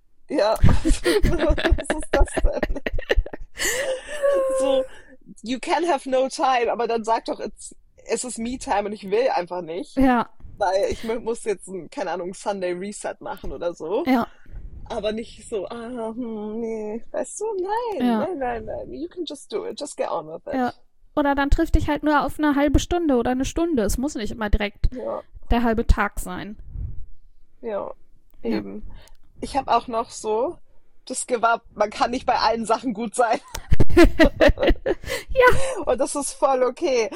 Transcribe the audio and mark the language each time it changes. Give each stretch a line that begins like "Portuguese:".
German: Ja, was ist das denn?
English: So, you can have no time,
German: aber dann sag doch, es ist
English: me time
German: und ich will einfach nicht, Ja. weil ich muss jetzt ein, keine Ahnung,
English: Sunday Reset
German: machen oder so. Ja. Aber nicht so, ah, nee, weißt du, Ja. nein,
English: you can just do it, just get on with
German: Ja.
English: it.
German: Oder dann triff dich halt nur auf eine halbe Stunde oder eine Stunde. Es muss nicht immer direkt Ja. der halbe Tag sein. Ja, Ja. eben. Ich habe auch noch so das Gewahr, man kann nicht bei allen Sachen gut sein. Und das ist voll okay.